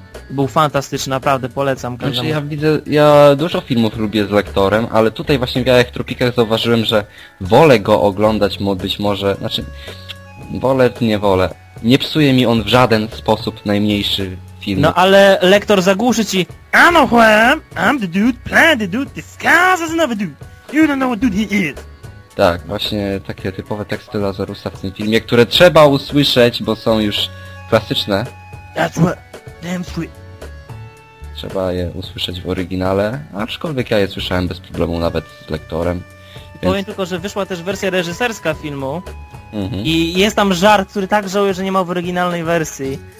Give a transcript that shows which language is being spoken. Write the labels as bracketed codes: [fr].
[pl] był fantastyczny, naprawdę polecam każdemu. Znaczy, ja widzę, ja dużo filmów lubię z lektorem, ale tutaj właśnie w Jajach Trupikach zauważyłem, że wolę go oglądać, być może, znaczy, wolę, nie wolę. Nie psuje mi on w żaden sposób najmniejszy film. No ale lektor zagłuszy ci. [en] I'm the dude, playing the dude, disguised as another dude. You don't know what dude he is. [pl] Tak, właśnie takie typowe teksty Lazarusa w tym filmie, które trzeba usłyszeć, bo są już klasyczne. [en] That's what damn sweet. [pl] Trzeba je usłyszeć w oryginale, aczkolwiek ja je słyszałem bez problemu nawet z lektorem. Więc... Powiem tylko, że wyszła też wersja reżyserska filmu. Mm-hmm. I jest tam żart, który tak żałuję, że nie ma w oryginalnej wersji.